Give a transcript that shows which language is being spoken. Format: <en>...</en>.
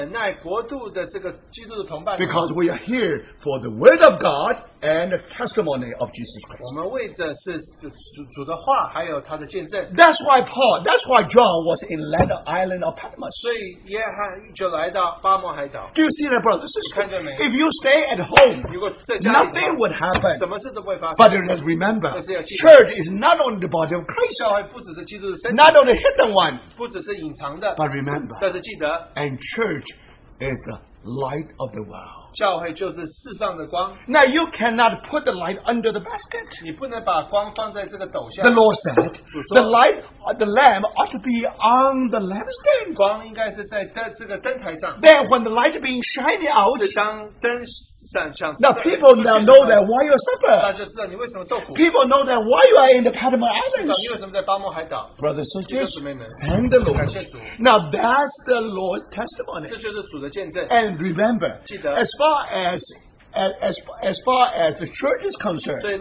<zh>但是如果我们是这个受苦忍耐国度的这个基督的同伴,</zh> <en>because we are here for the word of God and the testimony of Jesus Christ.</en> <zh>我们为着是主的话, 还有他的见证,</zh> <en>that's why Paul, that's why John was in led the island of Patmos.</en> <zh>所以耶和就来到巴摩海岛.</zh> <en>Do you see that, brother? This is, if you stay at home,</en> <zh>如果在家里,</zh> <en>nothing would happen.</en> <zh>什么事都不会发生,</zh> <en>but you must remember, church is not only the body of Christ,</en> <zh>教会不只是基督的身体,</zh> <en>not only hidden one,</en> <zh>不只是隐藏的,</zh> <en>but remember,</en> <zh>但是记得,</zh> <en>and church is the light of the world.</en> <zh>教会就是世上的光.</zh> <en>Now you cannot put the light under the basket.</en> <zh>你不能把光放在这个斗下.</zh> <en>The Lord said,</en> <zh>主说,</zh> <en>the light, the lamp ought to be on the lampstand.</en> <zh>光应该是在这个灯台上.</zh> <en>Then when the light being shining out,</en> <zh>是当灯,</zh> <en>now people now know that why you suffer. People know that why you are in the Patmos Islands. Brothers and sisters, thank the Lord. Now that's the Lord's testimony. And remember, as far as the church is concerned,</en>